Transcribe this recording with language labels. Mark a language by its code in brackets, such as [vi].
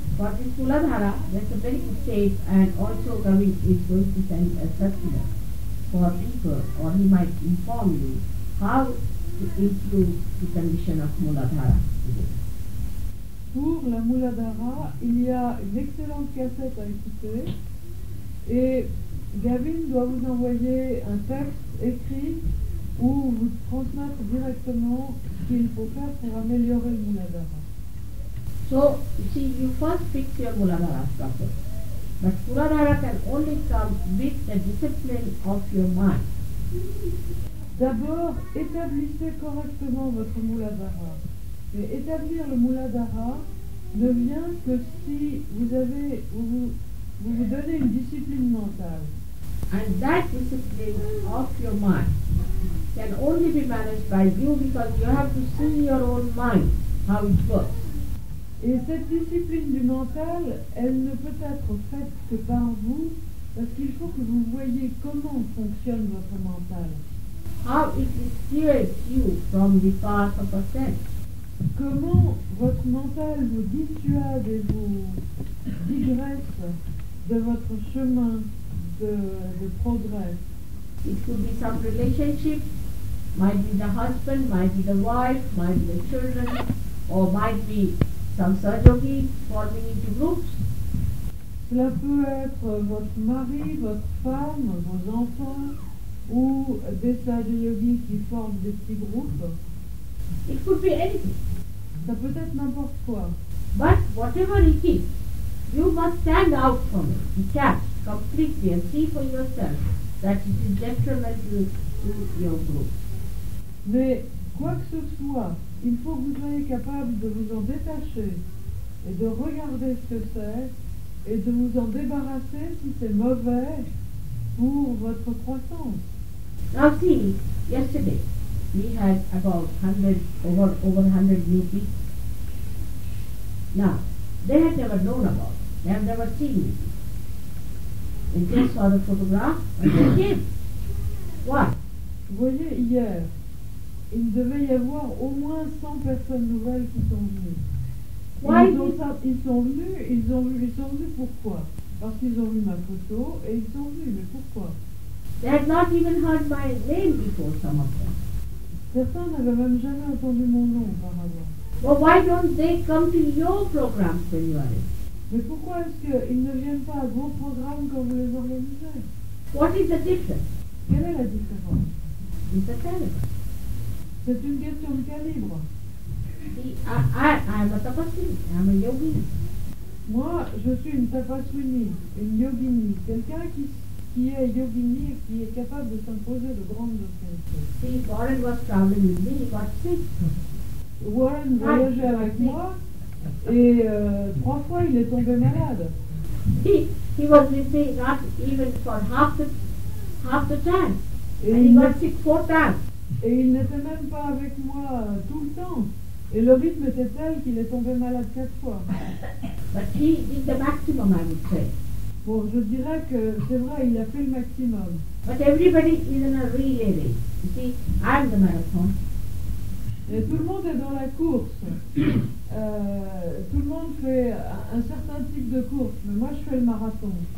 [en] For this Tuladhara, that's a very good state, and also Kavi is going to send a circular for people, or he might inform you how to improve the condition of Muladhara. [fr] Pour la Muladhara, il y a une excellente cassette à écouter. Et Gavin doit vous envoyer un texte écrit ou vous transmettre directement ce qu'il faut faire pour améliorer le Muladhara. [en] So, you see, you first fix your Muladhara proper. But Muladhara can only come with the discipline of your mind. [fr] D'abord, établissez correctement votre Muladhara. Et établir le Muladhara ne vient que si vous avez... Vous vous donnez une discipline mentale. [en] And that discipline of your mind can only be managed by you because you have to see your own mind, how it works. [fr] Et cette discipline du mental, elle ne peut être faite que par vous parce qu'il faut que vous voyez comment fonctionne votre mental. [en] How it steers you from the path of ascent. [fr] Comment votre mental vous dissuade et vous digresse de votre chemin de progrès. [en] It could be some relationship, might be the husband, might be the wife, might be the children, or might be some sadhogi forming into groups. [fr] Cela peut être votre mari, votre femme, vos enfants, ou des sadhogi qui forment des petits groupes. [en] It could be anything. [fr] Ça peut être n'importe quoi. [en] But whatever it is, you must stand out from it, detach completely, and see for yourself that it is detrimental to your group. [fr] Mais quoi que ce soit, il faut que vous soyez capable de vous en détacher et de regarder ce que c'est et de vous en débarrasser si c'est mauvais pour votre croissance. [en] Now see, yesterday we had about 100 over 100 new people. Now they had never known about. They have never seen me. They just saw the photograph and they came. What? [fr] Vous voyez, hier, il devait y avoir au moins 100 personnes nouvelles qui sont venues. [en] Why? [fr] Ils sont venus pourquoi? Parce qu'ils ont vu ma photo et ils sont venus. Mais pourquoi? [en] They had not even heard my name before, some of them. [fr] Certains n'avaient même jamais entendu mon nom auparavant. [en] Well, why don't they come to your program when you are in? [fr] Mais pourquoi est-ce qu'ils ne viennent pas à vos programmes quand vous les organisez? [en] What is the difference? [fr] Quelle est la différence? [en] It's a calibre. [fr] C'est une question de calibre. [en] I'm a tapaswini. I'm a yogini. [fr] Moi, je suis une tapaswini, une yogini. Quelqu'un qui est yogini et qui est capable de s'imposer de grandes autorités. [en] See, Warren was traveling with me, he got sick. [fr] Warren voyageait avec moi. Et trois fois il est tombé malade. [en] He was missing not even for half the time. [fr] Et [en] and he got sick four times. [fr] Et il n'était même pas avec moi tout le temps. Et le rythme était tel qu'il est tombé malade quatre fois. [en] But he did the maximum, I would say. [fr] Bon, je dirais que c'est vrai, il a fait le maximum. [en] But everybody is in a relay race. You see, I'm the marathon. [fr] Et tout le monde est dans la course. Tout le monde fait un certain type de course, mais moi je fais le marathon.